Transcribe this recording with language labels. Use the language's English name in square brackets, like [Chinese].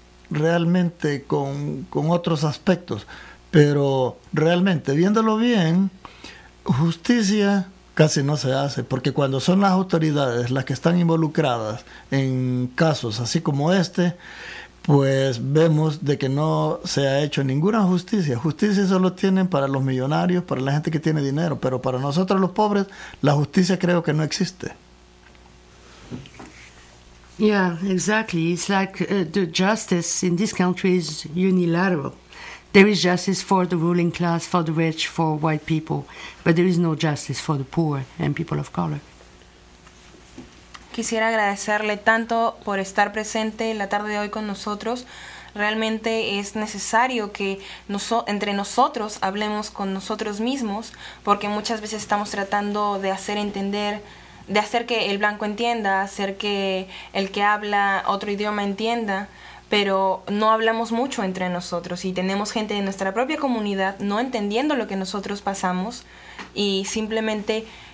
[Spanish] Realmente con otros aspectos, pero realmente viéndolo bien, justicia casi no se hace, porque cuando son las autoridades las que están involucradas en casos así como este, pues vemos de que no se ha hecho ninguna justicia. Justicia solo tienen para los millonarios, para la gente que tiene dinero, pero para nosotros los pobres la justicia creo que no existe. [English] Yeah, exactly. It's like the justice in this country is unilateral. There is justice for the ruling class, for the rich, for white people, but there is no justice for the poor and people of color. [Spanish] Quisiera agradecerle tanto por estar presente la tarde de hoy con nosotros. Realmente es necesario que entre nosotros hablemos con nosotros mismos, porque muchas veces estamos tratando de hacer entender, de hacer que el blanco entienda, hacer que el que habla otro idioma entienda, pero no hablamos mucho entre nosotros y tenemos gente de nuestra propia comunidad no entendiendo lo que nosotros pasamos y simplemente